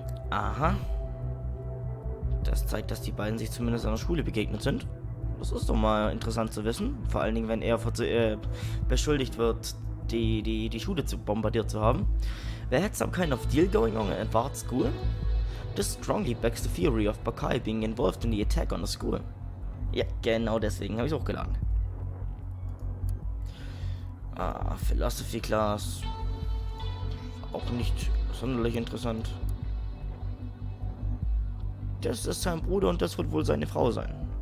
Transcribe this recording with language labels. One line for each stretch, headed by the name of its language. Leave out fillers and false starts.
German: Aha. Das zeigt, dass die beiden sich zumindest an der Schule begegnet sind. Das ist doch mal interessant zu wissen. Vor allen Dingen, wenn er beschuldigt wird, die Schule zu bombardiert zu haben.
English: They had some kind of deal going on at Ward School? This strongly backs the theory of Bakai being involved in the attack on the school.
German: Ja, genau deswegen habe ich es auch geladen. Philosophy Class. Auch nicht sonderlich interessant. Das ist sein Bruder und das wird wohl seine Frau sein.